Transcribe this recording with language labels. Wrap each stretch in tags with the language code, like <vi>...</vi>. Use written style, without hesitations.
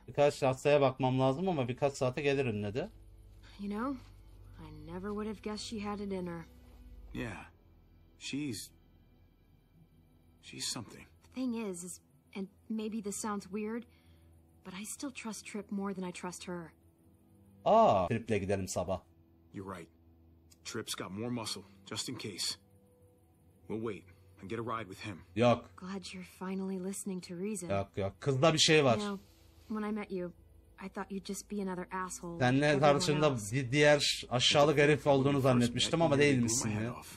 <tr>Birkaç hastaya bakmam lazım ama birkaç saate gelirim dedi.</tr> <en>You know, I never would have guessed she had it in her. Yeah. She's something. The thing is, and maybe this sounds weird, but I still trust Trip more than I trust her.</en> <tr>Aa, Trip'le gidelim sabah.</tr> <en>You're right. Trip's got more muscle, just in case. We'll wait and get a ride with him.</en> <tr>Yok.</tr> <en>Glad you're finally listening to reason.</en> <tr>Yok. Kızda bir şey var.</tr> <en>You know, when I met you, I thought you'd just be another asshole.</en> <tr>Seninle tartışında bir diğer aşağılık herif olduğunu zannetmiştim ama değilmişsin ya.</tr>